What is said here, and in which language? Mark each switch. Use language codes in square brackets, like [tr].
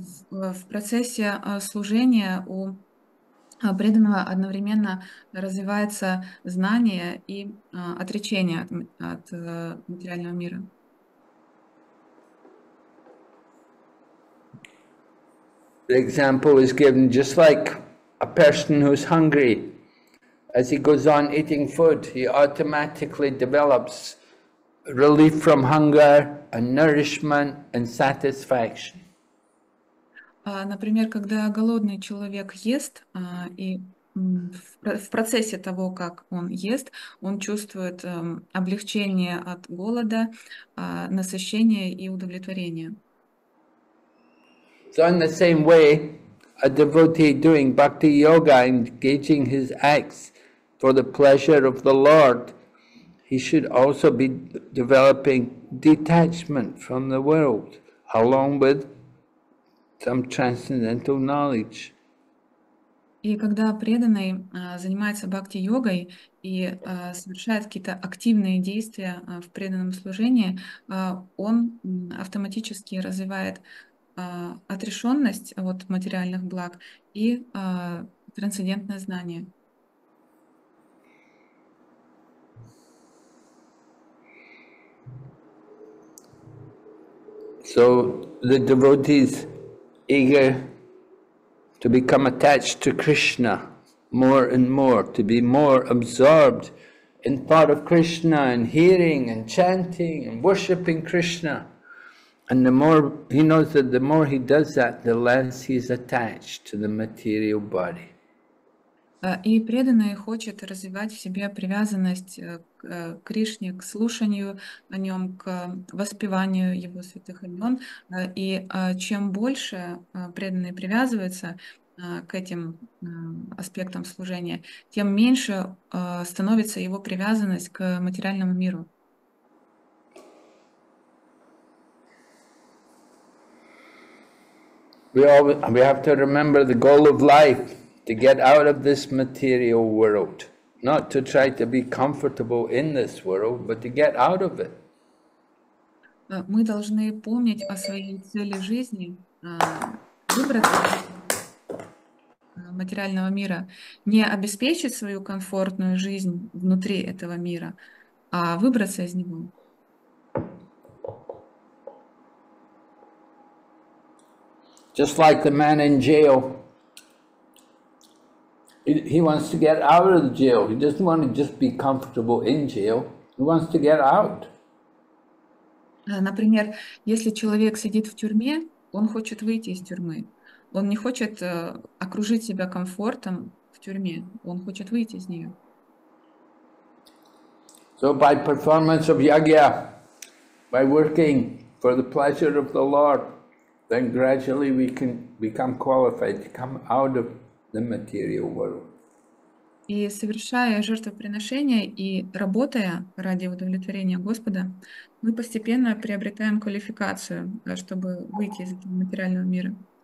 [ru] В процессе служения у преданного одновременно развивается знание и отречение от материального мира. [en] The example is given just like a person who's hungry. As he goes on eating food, he automatically develops relief from hunger and nourishment and satisfaction. [ru] Например, когда голодный человек ест, и в процессе того, как он ест, он чувствует облегчение от голода, насыщение и удовлетворение. [en] So in the same way, a devotee doing bhakti yoga and engaging his acts for the pleasure of the Lord, he should also be developing detachment from the world, along with some transcendental knowledge. [ru] И когда преданный занимается бхакти-йогой и совершает какие-то активные действия в преданном служении, он автоматически развивает отрешенность от материальных благ и трансцендентное знание. [en] So the devotees eager to become attached to Krishna more and more, to be more absorbed in thought of Krishna and hearing and chanting and worshipping Krishna. And the more he knows that the more he does that, the less he is attached to the material body. [ru] И преданный хочет развивать в себе привязанность к Кришне, к слушанию о нем, к воспеванию его святых имен. И чем больше преданный привязывается к этим аспектам служения, тем меньше становится его привязанность к материальному миру. [en] We have to remember the goal of life. To get out of this material world, not to try to be comfortable in this world, but to get out of it. [ru] Мы должны помнить о своей цели жизни, выбраться материального мира, не обеспечить свою комфортную жизнь внутри этого мира, а выбраться из него. [en] Just like the man in jail. He wants to get out of the jail. He doesn't want to just be comfortable in jail. He wants to get out. [ru] Например, если человек сидит в тюрьме, он хочет выйти из тюрьмы. Он не хочет окружить себя комфортом в тюрьме. Он хочет выйти из нее. [en] So by performance of yajna, by working for the pleasure of the Lord, then gradually we can become qualified to come out of the material world. [ru] И совершая жертвоприношение и работая ради удовлетворения Господа, мы постепенно приобретаем квалификацию, чтобы выйти из этого материального мира.